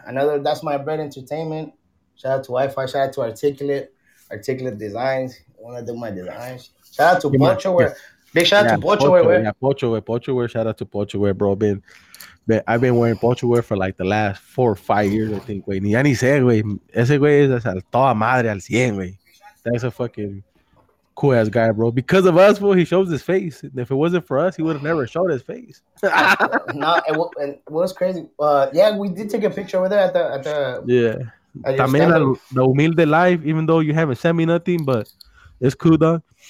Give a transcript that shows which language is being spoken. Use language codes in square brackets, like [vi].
[en] Another, that's my bread entertainment. Shout out to Wi-Fi. Shout out to Articulate Designs. Wanna do my designs? Shout out to Pochoware. Big shout out to Pochoware. Yeah, Pochoware. Pochoware. Shout out to Pochoware, bro. I've been wearing Pochoware for like the last 4 or 5 years, I think. [es] Wey, ni sé, güey. Ese güey es al toda madre al 100, güey. [en] That's a fucking cool ass guy, bro. Because of us, bro, he shows his face. If it wasn't for us, he would have never showed his face. No, it was crazy. Yeah, we did take a picture over there at the. Yeah. [es] También la humilde [en] live, even though you haven't sent me nothing, but it's cool, dog.